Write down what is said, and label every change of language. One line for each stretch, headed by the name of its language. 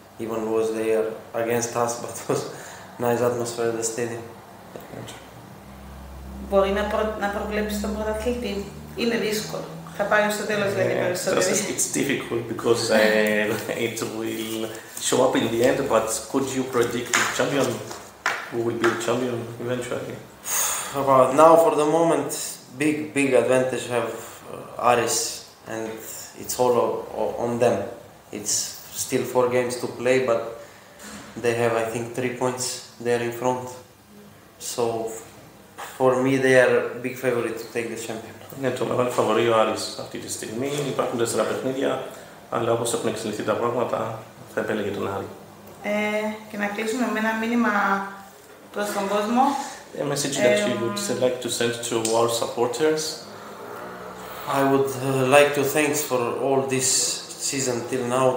English: Even was there against us, but it was nice atmosphere at the stadium.
Greek: Μπορεί να προβλέψεις τον πρωταθλητή? Είναι δύσκολο.
English: It's difficult because it will show up in the end, but could you predict the champion? Who will be the champion eventually? About now, for the moment, big advantage have Aris, and it's all on them. It's still four games to play, but they have, I think, 3 points there in front. So for me, they are big favorite to take the champion.
Greek: Ναι, το μεγάλο φαβορί ο Άρης αυτή τη στιγμή. Υπάρχουν 4 παιχνίδια, αλλά όπως έχουν εξελιχθεί τα πράγματα, θα επέλεγε τον Άρη. Και να κλείσουμε με ένα μήνυμα προς τον κόσμο.
English: A message that you would like to send to our supporters. I would like to thank for all this season till now.